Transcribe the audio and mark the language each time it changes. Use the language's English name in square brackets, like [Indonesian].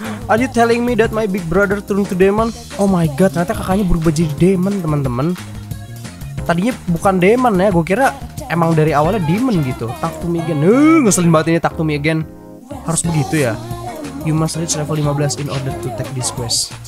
[English] Are you telling me that my big brother turn to demon? [Indonesian] Oh my god, ternyata kakaknya berubah jadi demon teman-teman. Tadinya bukan demon ya, gue kira emang dari awalnya demon gitu. [English] Talk to me again. [Indonesian] Ngeselin banget ini [English] talk to me again. [Indonesian] Harus begitu ya. [English] You must reach level 15 in order to take this quest.